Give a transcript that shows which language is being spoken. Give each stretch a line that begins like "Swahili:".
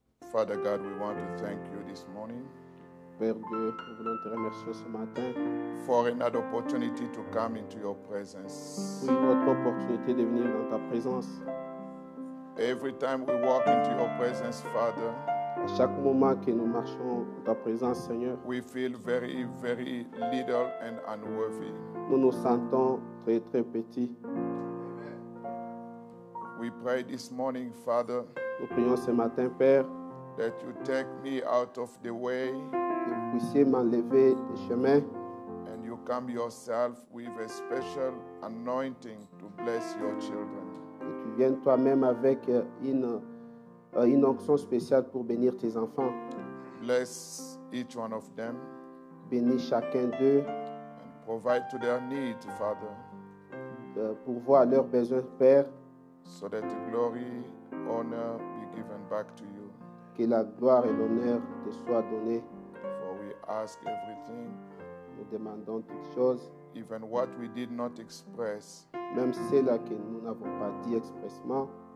English: Father God, we want to thank you this morning.
French: Père Dieu, nous voulons te remercier ce matin.
English: For another opportunity to come into your presence.
French: Pour une autre opportunité de venir dans ta présence.
English: Every time we walk into your presence, Father.
French: À chaque moment que nous marchons dans ta présence, Seigneur.
English: We feel very, very little and unworthy.
French: Nous nous sentons très, très petits.
English: We pray this morning, Father.
French: Nous prions ce matin, Père.
English: That you take me out of the way.
French: Puissiez m'enlever le chemin.
English: And you come yourself with a special anointing to bless your children.
French: Et tu viens toi-même avec une onction spéciale pour bénir tes enfants.
English: Bless each one of them.
French: Bénis chacun d'eux.
English: And provide to their needs, Father.
French: Pourvois à leurs besoins, Père.
English: So that the glory, honor be given back to you.
French: Que la gloire et l'honneur te soient donnés.
English: Ask everything,
French: nous demandons toutes choses,
English: even what we did not express,
French: même celle que nous n'avons pas dit expressement,